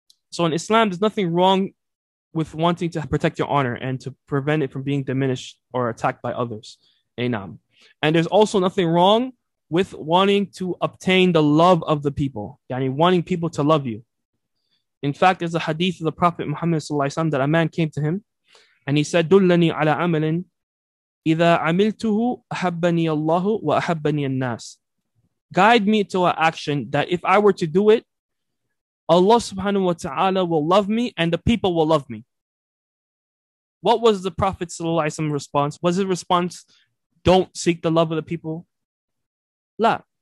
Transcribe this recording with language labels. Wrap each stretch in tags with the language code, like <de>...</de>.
<en>So in Islam, there's nothing wrong with wanting to protect your honor and to prevent it from being diminished or attacked by others. Inam. And there's also nothing wrong with wanting to obtain the love of the people, yani wanting people to love you. In fact, there's a hadith of the Prophet Muhammad sallallahu alaihi wasallam that a man came to him And he said,</en> <ar>دُلَّنِي عَلَىٰ عَمَلٍ إِذَا عَمِلْتُهُ أَحَبَّنِيَ اللَّهُ وَأَحَبَّنِيَ النَّاسِ.</ar> <en>Guide me to an action that if I were to do it, Allah subhanahu wa ta'ala will love me and the people will love me. What was the Prophet sallallahu alaihi wasallam's response? Was his response, don't seek the love of the people? La.</en>